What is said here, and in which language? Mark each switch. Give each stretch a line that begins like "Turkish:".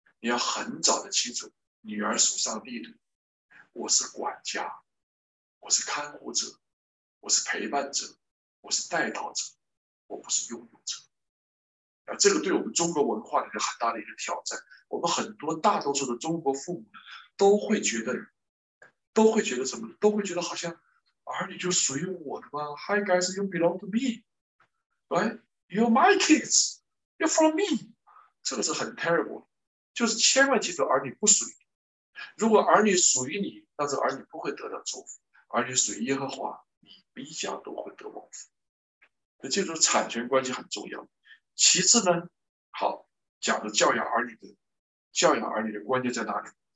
Chinese: 你要很早的清楚，女儿属上帝的，我是管家，我是看护者，我是陪伴者，我是带导者，我不是拥有者。啊，这个对我们中国文化的很大的一个挑战。我们很多大多数的中国父母都会觉得什么？都会觉得好像儿女就属于我的吧。
English: Hi guys, you belong to me, right? You're my kids, you're from me.
Chinese: 这个是很 terrible， 就是千万记住，儿女不属于你。如果儿女属于你，那这儿女不会得到祝福。儿女属于耶和华，你一家都会得蒙福。那这种产权关系很重要。其次呢，好，讲的教养儿女的关键在哪里？